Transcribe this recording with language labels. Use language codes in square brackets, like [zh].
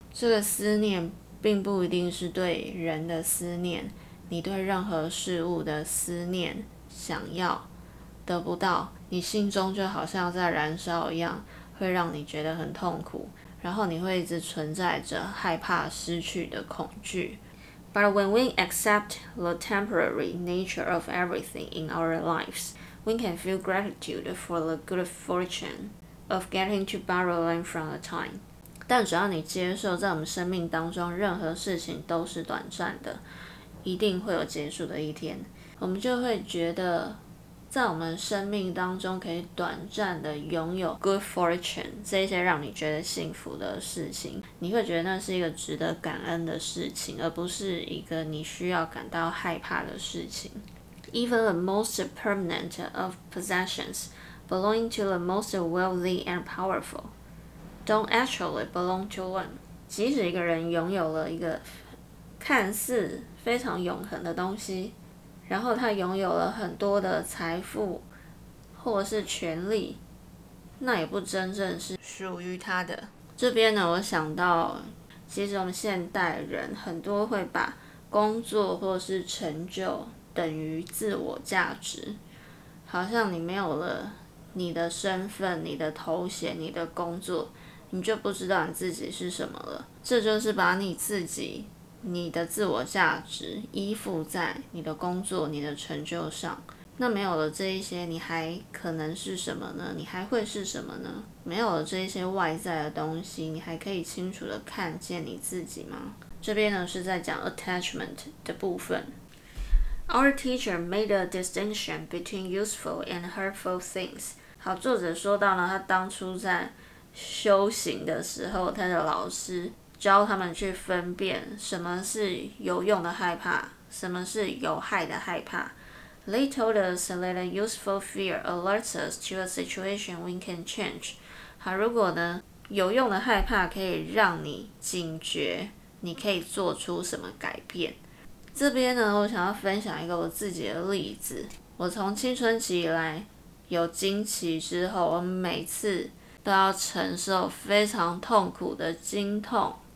[zh] 这个思念并不一定是对人的思念，你对任何事物的思念、想要、得不到，你心中就好像在燃烧一样，会让你觉得很痛苦，然后你会一直存在着害怕失去的恐惧。 [en] But when we accept the temporary nature of everything in our lives, we can feel gratitude for the good fortune of getting to borrow them from the time. [zh] 但只要你接受在我们生命当中任何事情都是短暂的，一定会有结束的一天，我们就会觉得在我们生命当中可以短暂的拥有 [en] good fortune [zh] 这些让你觉得幸福的事情，你会觉得那是一个值得感恩的事情，而不是一个你需要感到害怕的事情。 [en] Even the most permanent of possessions belonging to the most wealthy and powerful don't actually belong to one. [zh] 即使一个人拥有了一个看似非常永恒的东西，然后他拥有了很多的财富或是权力，那也不真正是属于他的。这边呢，我想到其实我们现代人很多会把工作或是成就等于自我价值，好像你没有了你的身份、你的头衔、你的工作，你就不知道你自己是什么了。这就是把你自己、你的自我价值依附在你的工作、你的成就上，那没有了这一些，你还可能是什么呢？你还会是什么呢？没有了这一些外在的东西，你还可以清楚的看见你自己吗？这边呢是在讲 attachment 的部分。 [en] Our teacher made a distinction between useful and hurtful things. [zh] 好，作者说到呢，他当初在修行的时候，他的老师教他们去分辨什么是有用的害怕，什么是有害的害怕。 [en] They told us that a useful fear alerts us to a situation we can change. [zh] 好，如果呢，有用的害怕可以让你警觉，你可以做出什么改变。这边呢，我想要分享一个我自己的例子。我从青春期以来有经期之后，我每次都要承受非常痛苦的经痛。